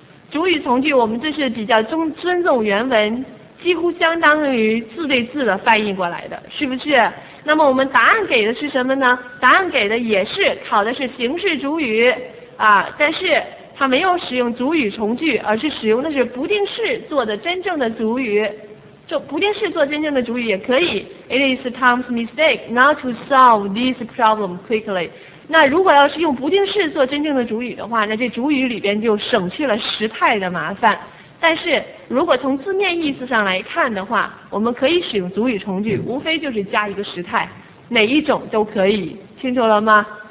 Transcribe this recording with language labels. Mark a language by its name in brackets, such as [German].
[Chinese] 主语从句，我们这是比较尊重原文。几乎相当于字对字的翻译过来的，是不是？那么我们答案给的是什么呢？答案给的也是考的是形式主语啊，但是他没有使用主语从句，而是使用的是不定式做的真正的主语。就不定式做真正的主语也可以。 [English] It is Tom's mistake not to solve this problem quickly。 [Chinese] 那如果要是用不定式做真正的主语的话，那这主语里边就省去了时态的麻烦。但是如果从字面意思上来看的话，我们可以使用主语从句，无非就是加一个时态，哪一种都可以。清楚了吗？